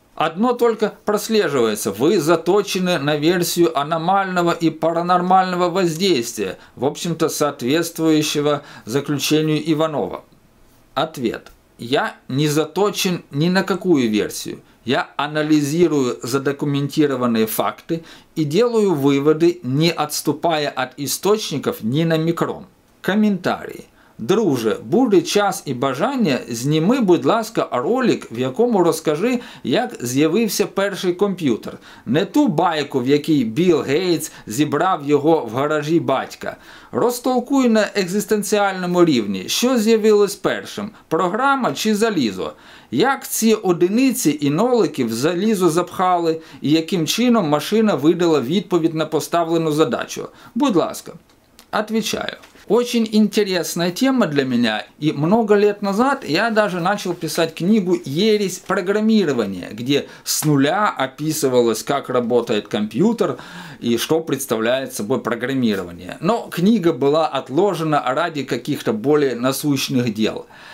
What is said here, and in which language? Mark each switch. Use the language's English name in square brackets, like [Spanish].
[Russian] Одно только прослеживается. Вы заточены на версию аномального и паранормального воздействия, в общем-то, соответствующего заключению Иванова. Ответ. Я не заточен ни на какую версию. Я анализирую задокументированные факты и делаю выводы, не отступая от источников ни на микрон. Комментарии. [Ukrainian] Друже, буде час и бажання, зніми, будь ласка, ролик, в якому розкажи, як з'явився перший комп'ютер. Не ту байку, в якій Білл Гейтс зібрав його в гаражі батька. Розтолкуй на екзистенціальному рівні, що з'явилось першим – програма чи залізо? Як ці одиниці і нолики в залізо запхали і яким чином машина видала відповідь на поставлену задачу? Будь ласка, відповідаю. [Russian] Очень интересная тема для меня, и много лет назад я даже начал писать книгу «Ересь программирования», где с нуля описывалось, как работает компьютер и что представляет собой программирование. Но книга была отложена ради каких-то более насущных дел.